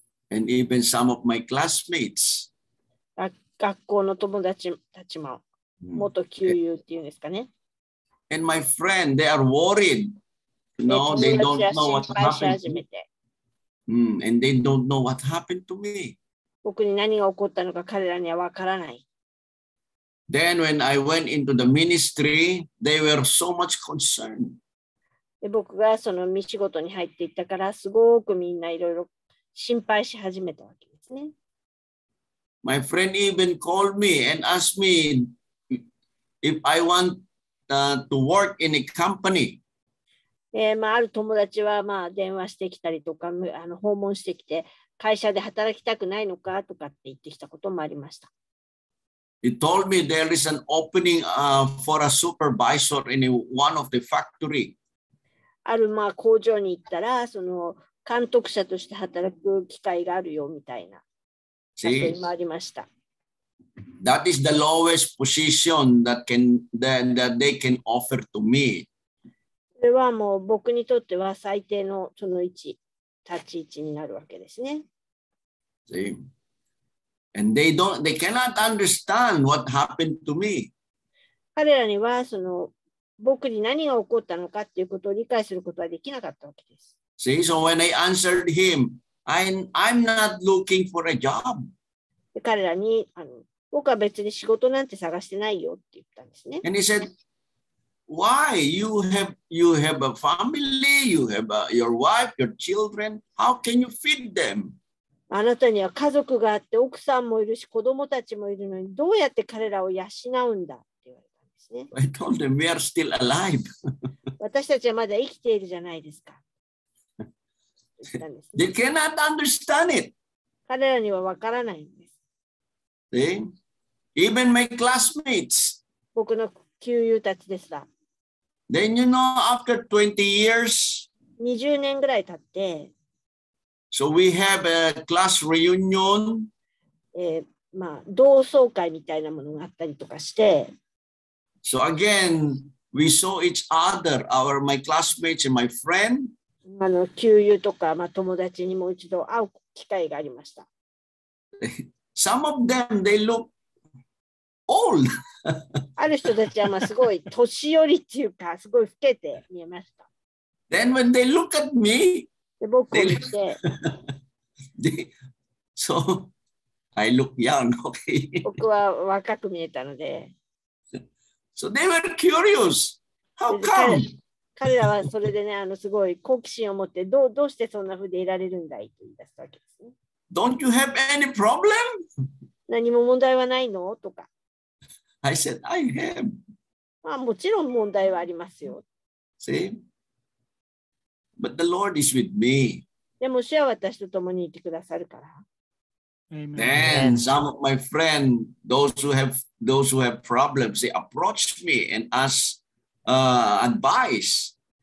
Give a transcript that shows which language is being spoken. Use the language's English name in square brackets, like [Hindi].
[English] And even some of my classmates. [Japanese] 学校の友達たちも、元旧友っていうんですかね。 [English] And my friend, they are worried. No, they don't know what happened. And they don't know what happened to me. [Japanese] 僕に何が起こったのか彼らには分からない。 [English] Then when I went into the ministry, they were so much concerned. [Japanese] で僕がその御仕事に入っていったからすごくみんないろいろ心配し始めたわけですね。 [English] My friend even called me and asked me if I want, to work in a company. [Japanese] まあ、ある友達は、まあ、電話してきたりとか訪問してきて会社で働きたくないのかとかって言ってきたこともありました。 [English] He told me there is an opening, for a supervisor in one of the factory. [Japanese] ある、まあ、工場に行ったら、その監督者として働く機会があるよみたいな機会もありました。 [English] See, that is the lowest position that they can offer to me. [Japanese] それはもう僕にとっては最低のその位置、立ち位置になるわけですね。 [English] See. And they cannot understand what happened to me. [Japanese] 彼らにはその僕に何が起こったのかということを理解することはできなかったわけです。 [English] See, so when I answered him, I'm not looking for a job. [Japanese] 彼らに僕は別に仕事なんて探してないよって言ったんですね。 [English] And he said,Why you have a family, you have your wife, your children, how can you feed them? [Japanese] あなたには家族があって奥さんもいるし子供たちもいるのにどうやって彼らを養うんだって言われたんですね。 [English] I told them we are still alive. [Japanese] 私たちはまだ生きているじゃないですか。 [English] They cannot understand it. [Japanese] 彼らにはわからないんです。 [English] See? Even my classmates. [Japanese] 僕の旧友たちですら。 [English] Then you know, after 20 years, [Japanese] 20年ぐらい経って、 [English] so we have a class reunion, [Japanese] まあ、同窓会みたいなものがあったりとかして、 [English] so again, we saw each other, my classmates and my friend, [Japanese] 旧友とか、まあ、友達にもう一度会う機会がありました。 [English] Some of them, they look old. [Japanese] ある人たちはまあすごい年寄りっていうかすごい老けて見えました。 [English] Then when they look at me, [Japanese] 僕を見て、 [English] so I look young, okay. [Japanese] 僕は若く見えたので、 [English] so they were curious. How come? [Japanese] 彼らはそれでね、すごい好奇心を持ってどうしてそんな風でいられるんだいと言い出したわけですね。 [English] Don't you have any problem? [Japanese] 何も問題はないのとか。 [English] I said, I have. [Japanese] まあもちろん問題はありますよ。 [English] See? But the Lord is with me. [Japanese] でも主は私と共にいてくださるから。 [English] Amen. Then some of my friends, those who have problems, they approached me and asked, advice.